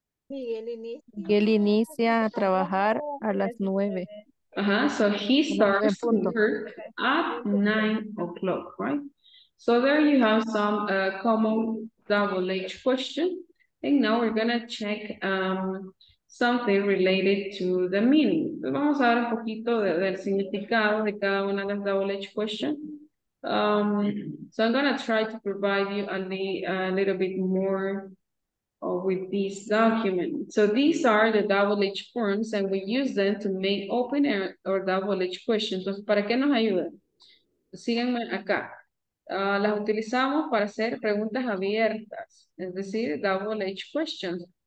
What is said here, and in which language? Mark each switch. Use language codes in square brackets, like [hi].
[es] Miguel inicia a trabajar a las 9. [en] Ajá, so he starts to work at 9 o'clock, right? So there you have some common double H question. And now we're going to check something related to the meaning. [es] Vamos a ver un poquito del significado de cada una de las double H questions. [en] So I'm going to try to provide you a little bit more or with this document. So these are the WH forms and we use them to make open or WH questions. [es] Entonces, ¿para qué nos ayudan? Síganme acá. Las utilizamos para hacer preguntas abiertas, es decir, WH questions.